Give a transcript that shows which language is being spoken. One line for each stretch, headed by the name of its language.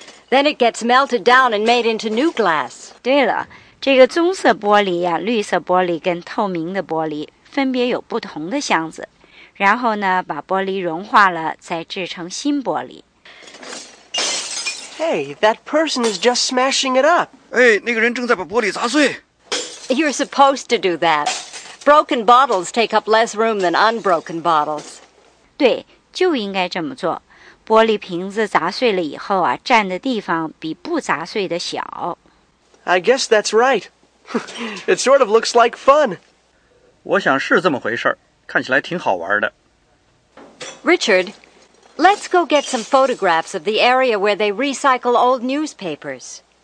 English: Then it gets melted down and made into new glass.
Chinese: 对了，这个棕色玻璃呀，绿色玻璃跟透明的玻璃。分别有不同的箱子，然后呢，把玻璃融化了，再制成新玻璃。
English: Hey, that person is just smashing it up.
Chinese: 哎，那个人正在把玻璃砸碎。
English: You're supposed to do that. Broken bottles take up less room than unbroken bottles.
Chinese: 对，就应该这么做。玻璃瓶子砸碎了以后啊，占的地方比不砸碎的小。
English: I guess that's right. It sort of looks like fun.
Chinese: 我想是这么回事儿，看起来挺好玩的。
English: Richard, Let's go get some photographs of the area where they recycle old newspapers.